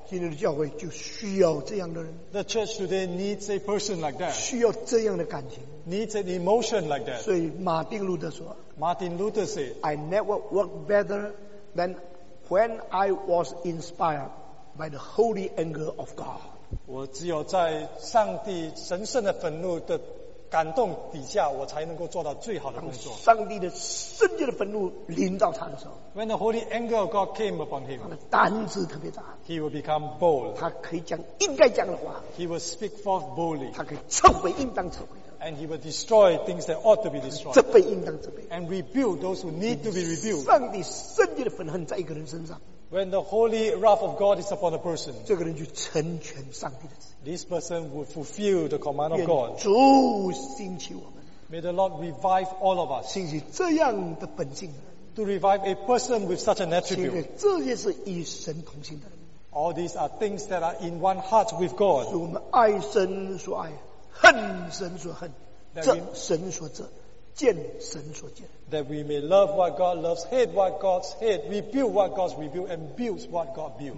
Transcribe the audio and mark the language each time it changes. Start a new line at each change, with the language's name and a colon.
Chinese: 今天的教会就需要这样的人。
English: The church today needs a person like that.
Chinese: 需要这样的感情。
English: Needs an emotion like that.
Chinese: 所以马丁路德说，
English: Martin Luther said, I never worked better than when I was inspired by the holy anger of God.
Chinese: 我只有在上帝神圣的愤怒的感动底下，我才能够做到最好的工作。当上帝的圣洁的愤怒临到他的时候，
English: When the holy anger of God came upon him,
Chinese: 他的胆子特别大。
English: He will become bold.
Chinese: 他可以讲应该讲的话。
English: He will speak forth boldly.
Chinese: 他可以摧毁应当摧毁。
English: And he will destroy things that ought to be destroyed.
Chinese: 责备应当责备。
English: And rebuild those who need to be rebuilt.
Chinese: 上帝圣洁的愤恨在一个人身上。
English: When the holy wrath of God is upon a person,
Chinese: 这个人就成全上帝的旨意。
English: This person will fulfill the command of God.
Chinese: 愿主兴起我们。
English: May the Lord revive all of us.
Chinese: 兴起这样的本性。
English: To revive a person with such an attribute.
Chinese: 兴起这些是与神同心的人。
English: All these are things that are in one heart with God.
Chinese: 是我们爱神所爱。恨神所恨，这神所这，见神所见。
English: That we may love what God loves, hate what God hates, rebuild what God rebuilds, and build what God builds.